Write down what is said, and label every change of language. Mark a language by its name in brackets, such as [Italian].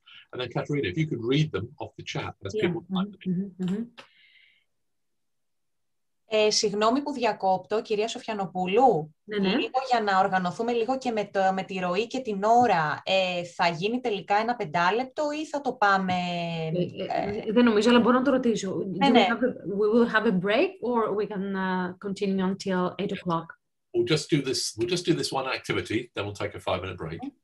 [English] And then Catherine, if you could read them off the chat, that's people like [Greek] Συγγνώμη που διακόπτω, κυρία Σοφιανοπούλου, λίγο για να οργανωθούμε λίγο και με τη ροή και την ώρα. Θα γίνει τελικά ένα πεντάλεπτο ή θα το πάμε... Δεν νομίζω, αλλά μπορώ να το ρωτήσω. [English] We will have a break or we can continue until 8 o'clock. We'll just do this one activity, then we'll take a 5-minute break.